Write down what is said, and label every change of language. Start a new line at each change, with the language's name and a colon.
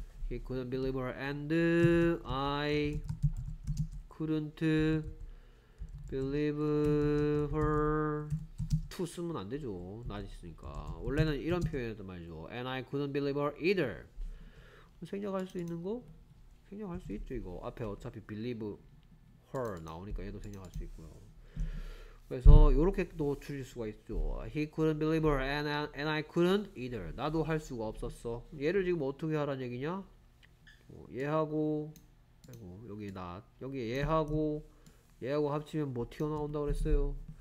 English: he couldn't believe her and I couldn't believe her to
Korean: 쓰면 안 되죠. 낮 있으니까. 원래는 이런 표현이었단 말이죠.
English: and I couldn't believe her either.
Korean: 생략할 수 있는 거? 생략할 수 있죠. 이거 앞에 어차피 believe her 나오니까 얘도 생략할 수 있고요. 그래서 이렇게도 줄일 수가 있죠.
English: he couldn't believe her and I couldn't either.
Korean: 나도 할 수가 없었어. 얘를 지금 어떻게 하라는 얘기냐? 얘하고 아이고 여기 나 여기 얘하고 합치면 뭐 튀어나온다 그랬어요.